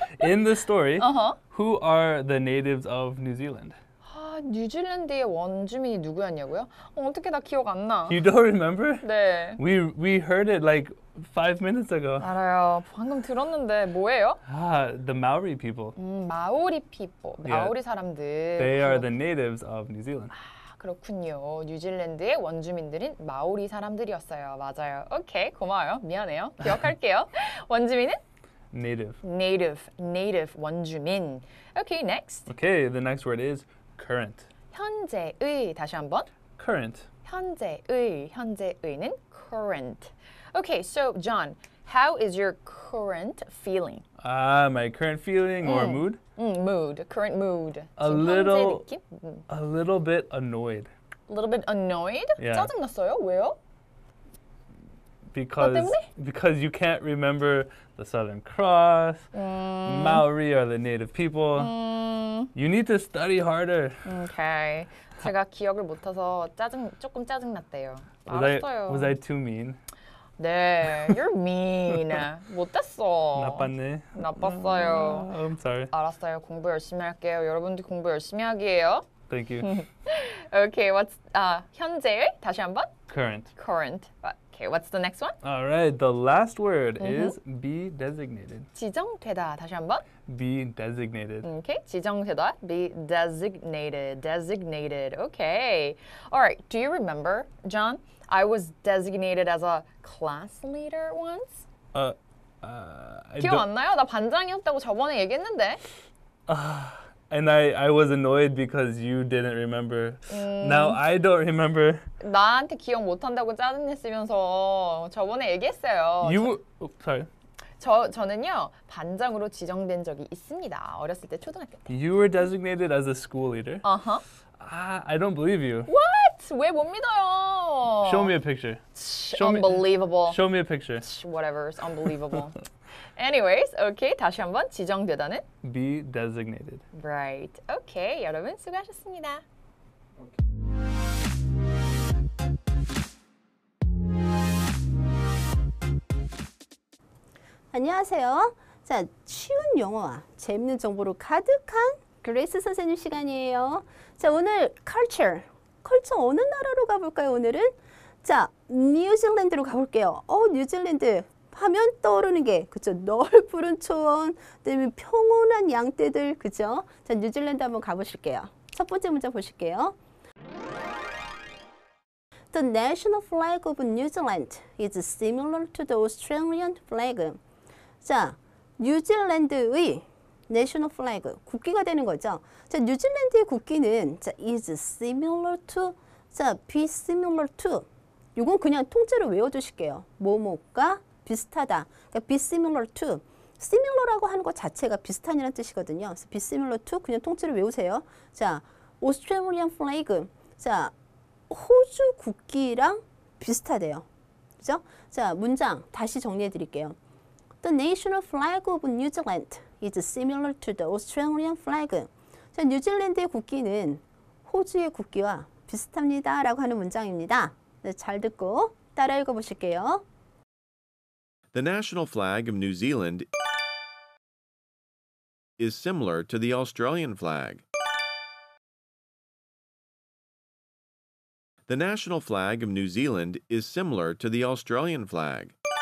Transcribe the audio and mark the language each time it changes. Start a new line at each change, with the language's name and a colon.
English: In the story, who are the natives of New Zealand?
Korean: 뉴질랜드의 원주민이 누구였냐고요? 어떻게 나 기억 안 나?
English: You don't remember?
Korean: 네.
English: We heard it like 5 minutes ago.
Korean: 알아요. 방금 들었는데 뭐예요?
English: The Maori people.
Korean: 마오리 people. 마오리
English: yeah.
Korean: 사람들.
English: They are the natives of New Zealand.
Korean: 그렇군요. 뉴질랜드의 원주민들은 마오리 사람들이었어요. 맞아요. 오케이. 고마워요. 미안해요. 기억할게요. 원주민은?
English: Native. Native. Native. 원주민. 오케이. Next. 오케이. Okay, the next word is current.
Korean: 현재의. 다시 한번.
English: Current.
Korean: 현재의. 현재의는 current.
English: Okay, so John, how is your current feeling? My current feeling or mood? Mood, current mood. A little bit annoyed. A little bit annoyed? Yeah.
Korean: 짜증났어요? 왜요?
English: Because you can't remember the Southern Cross, Maori are the native people. You need to study harder. Okay.
Korean: 제가 기억을 못해서 조금 짜증났대요. 알았어요.
English: Was I too mean?
Korean: 네,
English: you're mean.
Korean: 못됐어. 나빴네. 나빴어요.
English: I'm sorry.
Korean: 알았어요. 공부 열심히 할게요. 여러분도 공부 열심히 하기에요.
English: Thank you.
Korean: okay, what's 현재의? 다시 한번?
English: Current. Current. Okay, what's the next one? All right, the last word is be designated.
Korean: 지정되다, 다시 한번.
English: Be designated. Okay, 지정되다, be designated, designated. Okay, all right, do you remember, John? I was designated as a class leader once?
Korean: 기억 안 나요? 나 반장이었다고 저번에 얘기했는데.
English: And I was annoyed because you didn't remember. Now I don't remember.
Korean: 나한테 기억 못한다고 짜증냈으면서 저번에 얘기했어요.
English: Sorry.
Korean: 저는요 반장으로 지정된 적이 있습니다. 어렸을 때 초등학교 때.
English: You were designated as a school leader? Uh-huh. I don't believe you.
Korean: What? 왜 못 믿어요?
English: Show me a picture. Unbelievable. Show me a picture. Whatever, it's unbelievable. Anyways, okay,
Korean: 다시 한번 지정되다는?
English: Be designated.
Korean: Right. Okay, 여러분 수고하셨습니다.
English: Okay.
Korean: 안녕하세요. 자, 쉬운 영어와 재밌는 정보로 가득한 그레이스 선생님 시간이에요. 자, 오늘 culture. culture 어느 나라로 가볼까요, 오늘은? 자, 뉴질랜드로 가볼게요. 뉴질랜드. 하면 떠오르는 게, 그쵸? 넓푸른 초원, 그다음에 평온한 양떼들, 그쵸? 자, 뉴질랜드 한번 가보실게요. 첫 번째 문장 보실게요.
English: The national flag of New Zealand is similar to the Australian flag.
Korean: 자, 뉴질랜드의 national flag, 국기가 되는 거죠. 자, 뉴질랜드의 국기는 자,
English: is similar to,
Korean: 자, be similar to. 이건 그냥 통째로 외워주실게요. 뭐뭐가? 비슷하다. 그러니까
English: be similar to.
Korean: similar라고 하는 것 자체가 비슷한이라는 뜻이거든요.
English: So be similar to
Korean: 그냥 통째로 외우세요.
English: 자, Australian flag.
Korean: 자, 호주 국기랑 비슷하대요. 그죠? 자, 문장 다시 정리해 드릴게요.
English: The national flag of New Zealand is similar to the Australian flag.
Korean: 자, 뉴질랜드의 국기는 호주의 국기와 비슷합니다. 라고 하는 문장입니다. 네, 잘 듣고 따라 읽어 보실게요.
English: The national flag of New Zealand is similar to the Australian flag. The national flag of New Zealand is similar to the Australian flag.